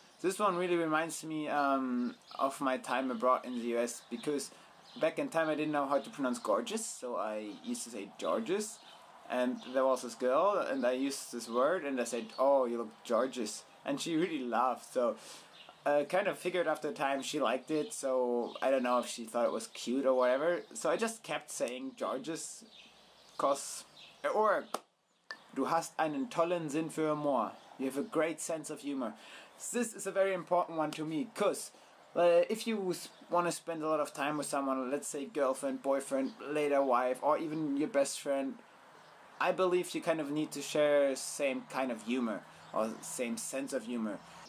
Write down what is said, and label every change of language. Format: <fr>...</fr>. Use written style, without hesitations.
<en>This one really reminds me of my time abroad in the US, because back in time I didn't know how to pronounce gorgeous, so I used to say gorgeous, and there was this girl, and I used this word, and I said, oh, you look gorgeous. And she really laughed, so kind of figured after the time she liked it, so I don't know if she thought it was cute or whatever. So I just kept saying George's, cause...</en> <de>Or, du hast einen tollen Sinn für Humor.</de> <en>You have a great sense of humor. So this is a very important one to me, cause... if you want to spend a lot of time with someone, let's say girlfriend, boyfriend, later wife, or even your best friend, I believe you kind of need to share same kind of humor or same sense of humor.</en>